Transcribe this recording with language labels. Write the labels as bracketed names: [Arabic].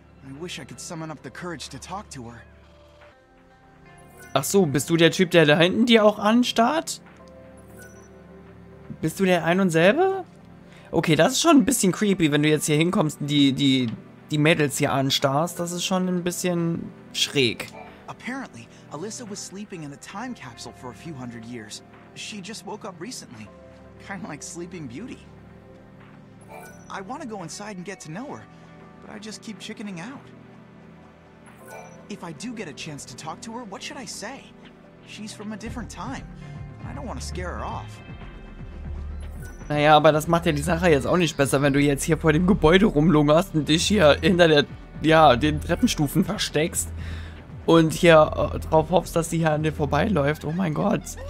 [English] I wish I could summon up the courage to talk to her. [German] Ach so, bist du der Typ, der da hinten dir auch anstarrt? Bist du der ein und selbe? Okay, das ist schon ein bisschen creepy, wenn du jetzt hier hinkommst und die Mädels hier anstarrst. Das ist schon ein bisschen schräg. [English] Apparently, Alyssa was sleeping in a time capsule for a few hundred years. She just woke up recently. Kind of like Sleeping Beauty. I want to go inside and get to know her, but I just keep chickening out. If I do get a chance to talk to her, what should I say? She's from a different time. I don't want to scare her off. [German] Naja, aber das macht ja die Sache jetzt auch nicht besser, wenn du jetzt hier vor dem Gebäude rumlungerst und dich hier hinter der, ja, den Treppenstufen versteckst und hier drauf hoffst, dass sie hier an dir vorbeiläuft. Oh mein Gott.